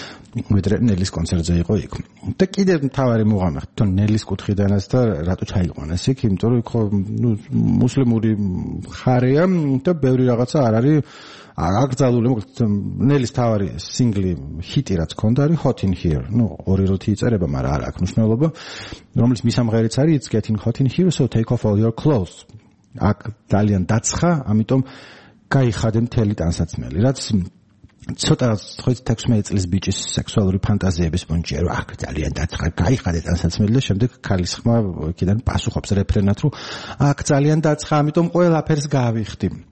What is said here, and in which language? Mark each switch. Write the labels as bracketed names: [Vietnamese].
[Georgian] ვიდრე ნელის კონცერტზე იყო იქ. და კიდე მთავარი მოღამე თუ ნელის კუთხიდანაც და რატო ჩაიყვანეს იქ, იმიტომ რომ იქ ხო მუსლიმური ხარია და ბევრი რაღაცა არ არის აკრძალული. ნელის მთავარი სინგლი ჰიტი რაც ქონდა არის Hot in Here. ნუ ორი როთი იწერება, მაგრამ არა აქვს მნიშვნელობა. რომელიც მისამღერიც არის [English] It's getting hot in here so take off all your clothes. [Georgian] აქ ძალიან დაცხა, ამიტომ გაიხადე მთელი ტანსაცმელი. რაც ცოტა 15 წლის ბიჭის სექსუალური ფანტაზიების პონჭია, რომ აქ ძალიან დაცხა, გაიხადე ტანსაცმელი და შემდეგ ქალის ხმა იქიდან პასუხობს რეფრენად, რომ აქ ძალიან დაცხა, ამიტომ ყველაფერს გავიხდი.